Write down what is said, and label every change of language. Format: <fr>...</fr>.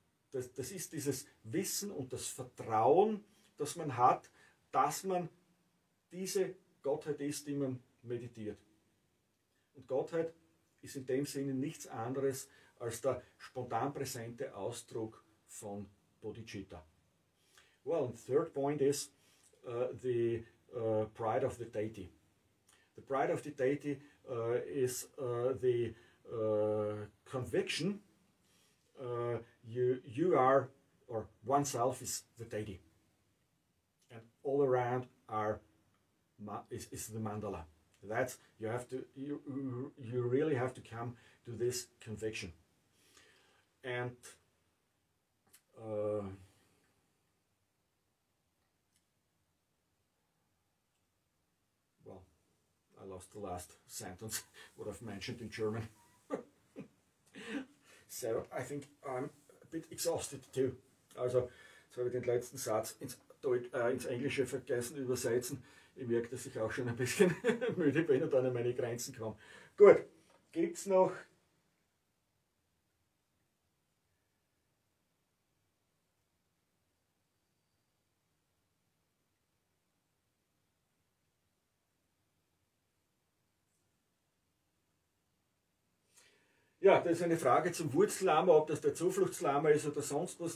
<de>Das ist dieses Wissen und das Vertrauen, das man hat, dass man diese Gottheit ist, die man meditiert. Und Gottheit ist in dem Sinne nichts anderes als der spontan präsente Ausdruck von Bodhicitta.</de> <en>Well, and the third point is the pride of the deity. The pride of the deity is the conviction you are, or oneself is the deity, and all around is the mandala. That's you really have to come to this conviction, and I lost the last sentence what I've mentioned in German. So I think I'm a bit exhausted too.</en> <de>Also, jetzt habe ich den letzten Satz ins Englische vergessen übersetzen. Ich merke, dass ich auch schon ein bisschen müde bin und dann an meine Grenzen komme. Gut, gibt's noch Ja, das ist eine Frage zum Wurzellama, ob das der Zufluchtslama ist oder sonst was.</de>